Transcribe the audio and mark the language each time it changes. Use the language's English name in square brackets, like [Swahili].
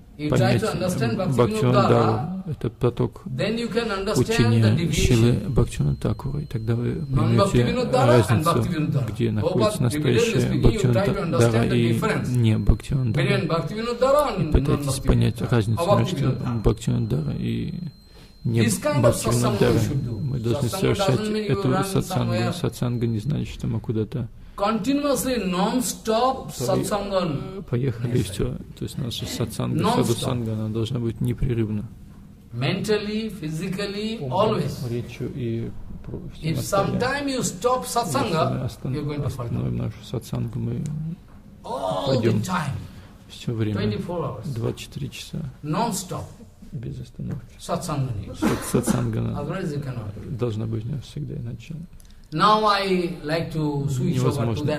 [Russian] Бхактивинодару, это поток учения Шрилы Бхактивинодакура, и тогда вы поймете разницу, где находится настоящая Бхактивинодара и не Бхактивинодара, и пытаетесь понять разницу между Бхактивинодара и нет, Бхактивинодара. Мы должны совершать эту сатсангу. Сатсанга не значит, что мы куда-то поехали и все. То есть наша сатсанга, садусанга, она должна быть непрерывна. [English] Mentally, physically, always. [Russian] Речью и [English] if sometime you stop satsanga, you're going to fall. [Russian] Остановим нашу сатсангу, мы пойдем все время. 24 часа. [English] Non-stop. [Russian] Без остановки. Сатсангана. Сатсангана должна быть у него всегда, иначе [English] like [Russian] невозможно.